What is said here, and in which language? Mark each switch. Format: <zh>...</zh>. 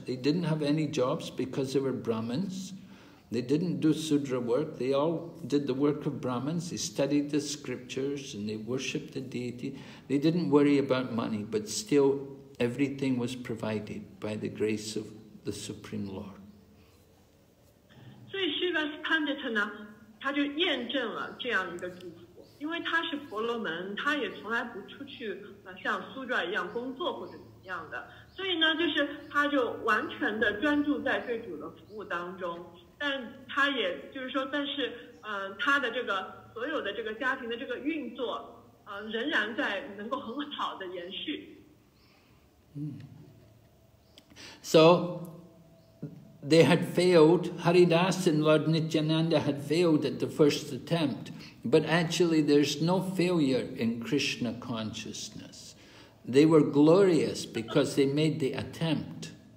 <en>They didn't have any jobs because they were Brahmins. They didn't do sudra work. They all did the work of Brahmins. They studied the scriptures and they worshipped the deity. They didn't worry about money, but still everything was provided by the grace of the Supreme Lord.</en> <zh>So Srivas Pandit, 他就验证了这样一个祝福，因为他是婆罗门，他也从来不出去像苏这样工作或者怎样的，所以呢，就是他就完全的专注在对主的服务当中，但他也就是说，但是他的这个所有的这个家庭的这个运作，仍然在能够很好的延续。</zh> <en>So they had failed, Haridas and Lord Nityananda had failed at the first attempt. But actually, there's no failure in Krishna consciousness. They were glorious because they made the attempt.</en>